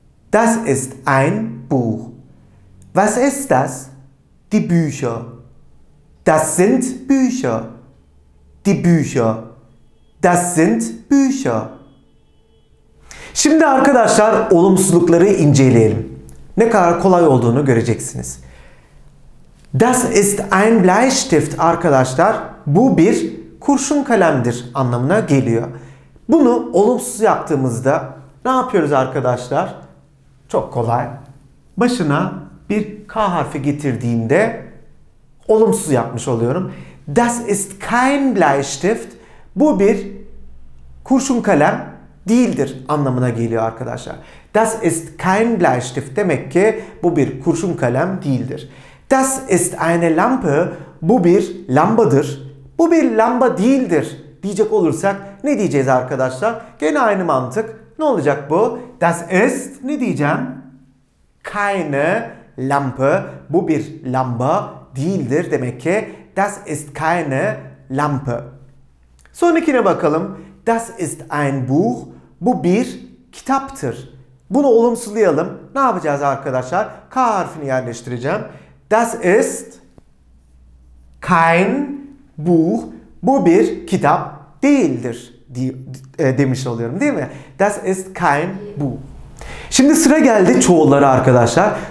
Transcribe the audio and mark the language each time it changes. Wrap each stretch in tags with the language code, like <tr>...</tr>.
<de>Das ist ein Buch. Was ist das? Die Bücher. Das sind Bücher. Die Bücher. Das sind Bücher.</de> <tr>Şimdi arkadaşlar olumsuzlukları inceleyelim. Ne kadar kolay olduğunu göreceksiniz.</tr> <de>Das ist ein Bleistift</de> <tr>arkadaşlar. Bu bir kurşun kalemdir anlamına geliyor. Bunu olumsuz yaptığımızda ne yapıyoruz arkadaşlar? Çok kolay. Başına bir K harfi getirdiğimde olumsuz yapmış oluyorum.</tr> <de>Das ist kein Bleistift.</de> <tr>Bu bir kurşun kalem değildir anlamına geliyor arkadaşlar.</tr> <de>Das ist kein Bleistift</de> <tr>demek ki bu bir kurşun kalem değildir.</tr> <de>Das ist eine Lampe,</de> <tr>bu bir lambadır. Bu bir lamba değildir diyecek olursak ne diyeceğiz arkadaşlar? Gene aynı mantık. Ne olacak bu? Das ist ne diyeceğim? Keine Lampe, bu bir lamba değildir demek ki</tr> <de>das ist keine Lampe.</de> <tr>Sonrakine bakalım.</tr> <de>Das ist ein Buch,</de> <tr>bu bir kitaptır. Bunu olumsuzlayalım. Ne yapacağız arkadaşlar? K harfini yerleştireceğim.</tr> <de>Das ist kein Buch,</de> <tr>bu bir kitap değildir demiş oluyorum değil mi?</tr> <de>Das ist kein Buch.</de> <tr>Şimdi sıra geldi çoğullara arkadaşlar.</tr>